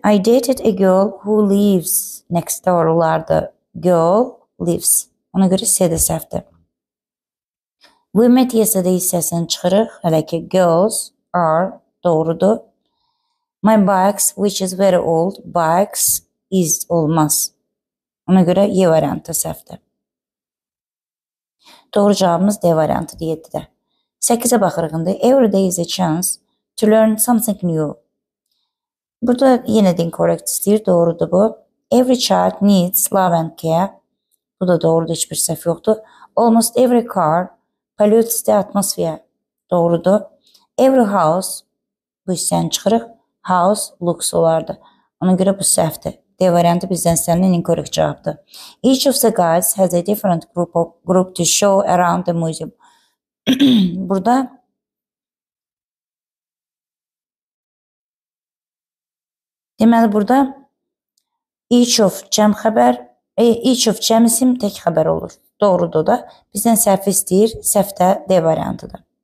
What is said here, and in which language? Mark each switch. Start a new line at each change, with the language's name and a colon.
English: I dated a girl who lives next door.
Azerbaijani: Olardı.
English: Girl lives.
Azerbaijani: Ona görə C də səhvdir.
English: We met yesterday
Azerbaijani: hissəsini çıxırıq. Hələ ki,
English: girls are
Azerbaijani: doğrudur.
English: My bikes, which is very old, bikes is
Azerbaijani: olmaz. Ona görə Y variantı səhvdir. Doğru cavabımız D variantı deyirdi də. 8-ə baxırıq indi.
English: Every day is a chance to learn something new.
Azerbaijani: Burada yenə din correct istəyir. Doğrudur bu.
English: Every child needs love and care.
Azerbaijani: Bu da doğrudur. Heç bir səhv yoxdur.
English: Almost every car pollutes the atmosphere.
Azerbaijani: Doğrudur.
English: Every house,
Azerbaijani: bu hissəni çıxırıq.
English: House looks
Azerbaijani: olardı. Ona görə bu səhvdir. D variantı bizdən istənilən incorrect cavabdır.
English: Each of the guides has a different group to show around the museum.
Azerbaijani: Burada deməli burada
English: each of
Azerbaijani: cəm xəbər, each of cəm isim tək xəbər olur. doğrudur da, bizden səhv istəyir, səhv də D variantıdır.